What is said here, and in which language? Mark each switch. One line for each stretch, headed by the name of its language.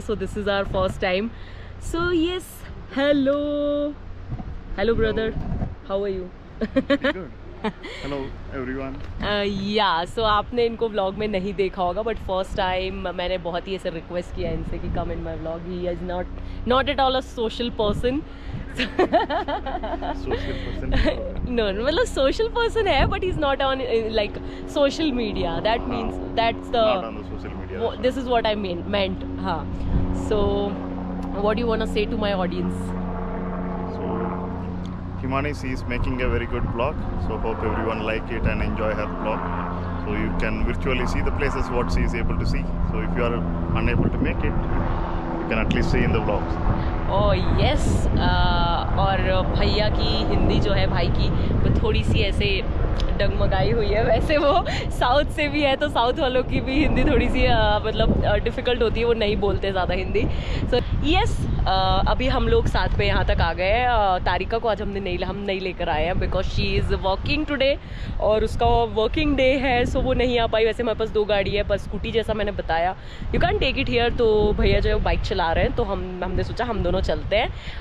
English: So this is our first time. So yes, hello. Hello brother. Hello. How are you? Good. Hello everyone.
Hindi: Yeah, so आपने इनको vlog में नहीं देखा होगा, but first time मैंने बहुत ही ऐसे request किया इनसे कि come in my vlog.
English: He is not at all a social person. social person है, but he's not on like social media. That means that's the not on the social media. This is what I mean meant.
Hindi: हाँ.
English: So what do you want to say to my audience? So Himani is making a very good vlog, so hope everyone like it and enjoy her vlog, so you can virtually see the places what she is able to see. So if you are unable to make it, you can at least see in the vlogs.
Hindi: Oh yes, aur bhaiya ki hindi jo hai, bhai ki wo thodi si aise डगमगाई हुई है. वैसे वो south से भी है, तो south वालों की भी हिंदी थोड़ी सी मतलब डिफ़िकल्ट होती है, वो नहीं बोलते ज़्यादा हिंदी. सो यस, अभी हम लोग साथ में यहाँ तक आ गए हैं. तारिका को आज हम नहीं लेकर आए हैं, because she is working today और उसका वर्किंग डे है, सो वो नहीं आ पाई. वैसे मेरे पास 2 गाड़ी है, पर स्कूटी जैसा मैंने बताया you can take it here, तो भैया जो है बाइक चला रहे हैं, तो हमने सोचा हम दोनों चलते हैं.